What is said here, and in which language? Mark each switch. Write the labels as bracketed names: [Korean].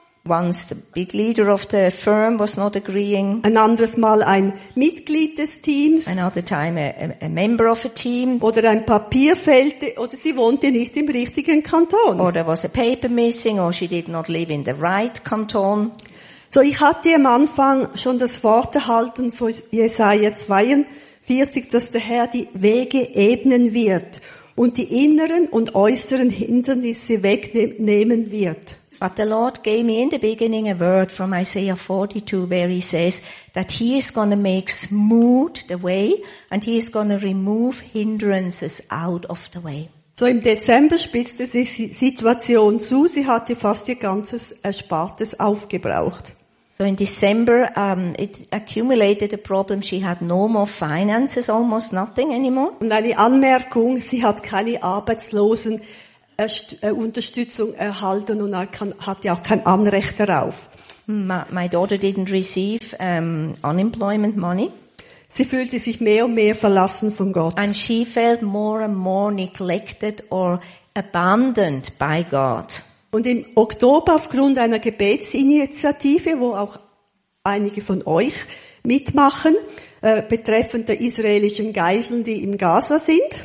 [English] Once the big leader of the firm was not agreeing. [German] Ein anderes Mal ein Mitglied des Teams. [English] Another time a member of a team. [German] Oder ein Papier fehlte, oder sie wohnte nicht im richtigen Kanton. [English] Or there was a paper missing, or she did not live in the right Kanton. [German] So, ich hatte am Anfang schon das Wort erhalten von Jesaja 42, dass der Herr die Wege ebnen wird und die inneren und äußeren Hindernisse wegnehmen wird. [English] But the Lord gave me in the beginning a word from Isaiah 42 where he says that he is going to make smooth the way and he is going to remove hindrances out of the way. [German] So im Dezember spitzte sich die Situation zu, sie hatte fast ihr ganzes Erspartes aufgebraucht. [English] So in December it accumulated a problem. She had no more finances, almost nothing anymore. [German] Und eine Anmerkung, sie hat keine Arbeitslosenunterstützung erhalten und hatte auch kein Anrecht darauf. [English] My daughter didn't receive unemployment money. [German] Sie fühlte sich mehr und mehr verlassen von Gott. [English] And she felt more and more neglected or abandoned by God. [German] Und im Oktober aufgrund einer Gebetsinitiative, wo auch einige von euch mitmachen, betreffend der israelischen Geiseln, die im Gaza sind.